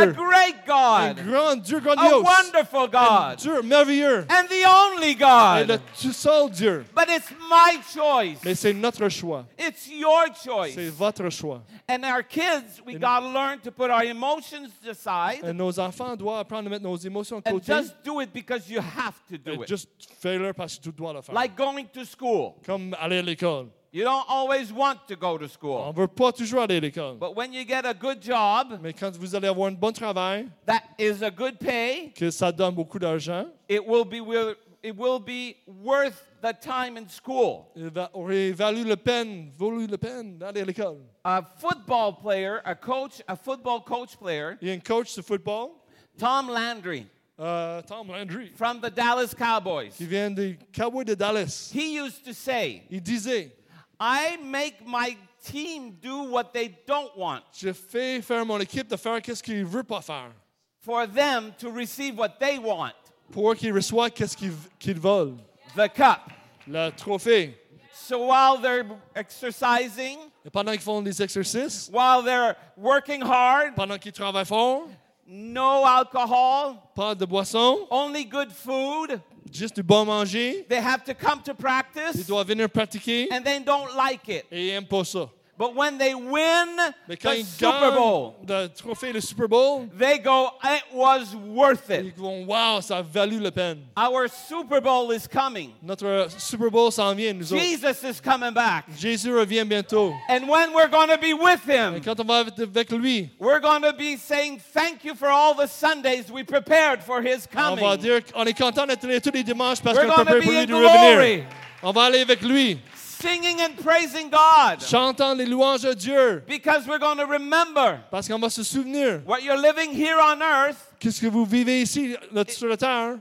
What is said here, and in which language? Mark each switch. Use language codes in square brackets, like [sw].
[en] A great God. [fr] Un grand Dieu grandiose. [en] A wonderful God. [fr] Un Dieu merveilleux. [en] And the only God. [fr] Et le tout seul Dieu. [en] But it's my choice. [fr] Mais c'est notre choix. [en] It's your choice. [fr] C'est votre choix. [en] And our kids, we got to learn to put our emotions aside. [fr] Et nos enfants doivent apprendre à mettre nos émotions de côté. [en] And just do it because you have to do [fr] et [en] it. [fr] Et juste fais-le parce que tu dois le faire. [en] Like going to school. [fr] Comme aller à l'école. [en] You don't always want to go to school. [fr] On veut pas toujours aller à l'école. [en] But when you get a good job, [fr] mais quand vous allez avoir un bon travail, [en] that is a good pay, [fr] que ça donne beaucoup d'argent, [en] it will be worth the time in school. [fr] Valu la peine d'aller à l'école. [en] A football coach player. [fr] Il y a un coach de football. [en] Tom Landry. [fr] Tom Landry, [en] from the Dallas Cowboys. [fr] Qui vient des Cowboys de Dallas. [en] He used to say, [fr] il disait, [en] I make my team do what they don't want. [fr] Je fais faire mon équipe de faire qu'est-ce qu'il veut pas faire. [en] For them to receive what they want. [fr] Pour qu'ils reçoivent qu'est-ce qu'ils veulent. [en] The cup. [fr] Le trophée. [en] So while they're exercising, [fr] et pendant qu'ils font des exercices, [en] while they're working hard, [fr] pendant qu'ils travaillent fort, [en] no alcohol, [fr] pas de boisson, [en] only good food, [fr] juste du bon manger, [en] they have to come to practice, [fr] ils doivent venir pratiquer, [en] and they don't like it, [fr] et ils aiment pas ça. [en] But when they win the Super Bowl, [fr] le trophée de Super Bowl, [en] they go, it was worth it. [fr] Ils vont, wow, ça a valu la peine. [en] Our Super Bowl is coming. [fr] Notre Super Bowl s'en vient. [en] Jesus is coming back. [fr] Jésus revient bientôt. [en] And when we're going to be with him, [fr] et quand on va avec lui, [en] we're going to be saying thank you for all the Sundays we prepared for his coming. [fr] On va dire, on est content d'être tous les dimanches parce qu'on prépare pour lui de revenir. On va aller avec lui. [en] Singing and praising God. [fr] Chantant les louanges à Dieu. [en] Because we're going to remember. [fr] Parce qu'on va se souvenir. [en] What you're living here on earth. [fr] Qu'est-ce que vous vivez ici sur la terre?